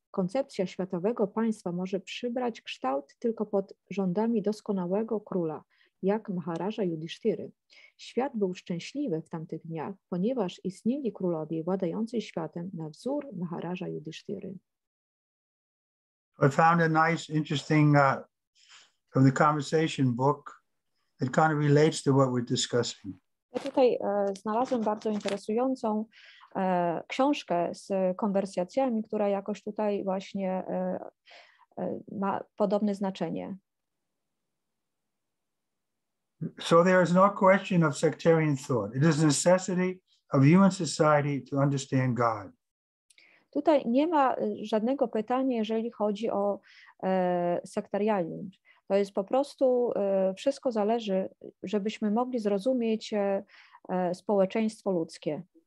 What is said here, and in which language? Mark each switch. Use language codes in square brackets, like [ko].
[pl] Koncepcja światowego państwa może przybrać kształt tylko pod rządami doskonałego króla, jak Maharaja Yudhisthiry. Świat był szczęśliwy w tamtych dniach, ponieważ istnieli królowie władający światem na wzór Maharaja Yudhisthiry. [en] I found a nice, interesting from the conversation book that kind of relates to what we're discussing. [pl] Ja tutaj znalazłem bardzo interesującą książkę z konwersacjami, która jakoś tutaj właśnie ma podobne znaczenie. [en] So there is no question of sectarian thought. It is a necessity of human society to understand God. [pl] Tutaj nie ma żadnego pytania, jeżeli chodzi o sektarianizm. To jest po prostu, wszystko zależy, żebyśmy mogli zrozumieć społeczeństwo ludzkie.